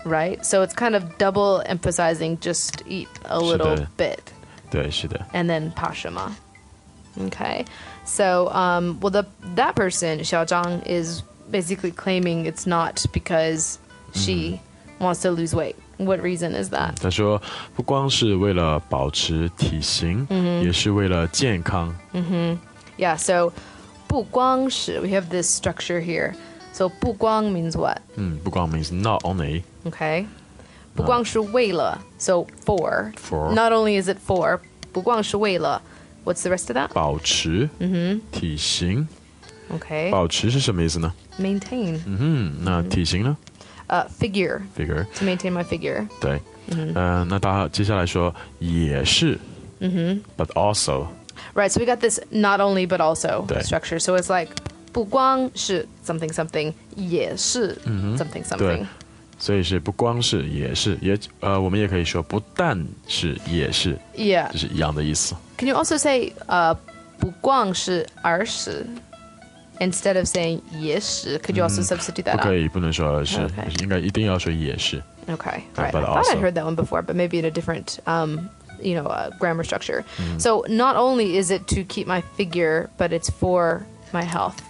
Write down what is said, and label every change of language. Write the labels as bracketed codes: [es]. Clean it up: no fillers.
[en] Right? So it's kind of double emphasizing just eat a little bit. [zh] 对是的 [en] And then 怕什么 Okay So well, that person Xiao Zhang is basically claiming it's not because she、wants to lose weight What reason is that? [zh] 他说不光是为了保持体型、也是为了健康、 [en] Yeah so 不光是 We have this structure here So 不光 means what?、不光 means not only Okay [zh] 不光是为了 [en] so for. Not only is it for, [zh] 不光是为了 [en] What's the rest of that? [zh] 保持、体型 [en] Okay. [zh] 保持是什么意思呢 [en] Maintain. [zh] 那体型呢、 [en] figure. Figure. To maintain my figure. [zh] 对、那他接下来说也是、 [en] But also. Right, so we got this not only but also structure. So it's like 不光是 something something, 也是 something something. [zh] 所以是不光是也是也、我们也可以说不但是也是 [en] Yeah [zh] 就是一样的意思 [en] Can you also say、不光是而是 Instead of saying 也是 Could you also substitute that [zh] 不可以不能说而是、okay. 应该一定要说也是 [en] Okay、right. I thought I heard that one before But maybe in a different、you know, grammar structure、So not only is it to keep my figure But it's forfor my health.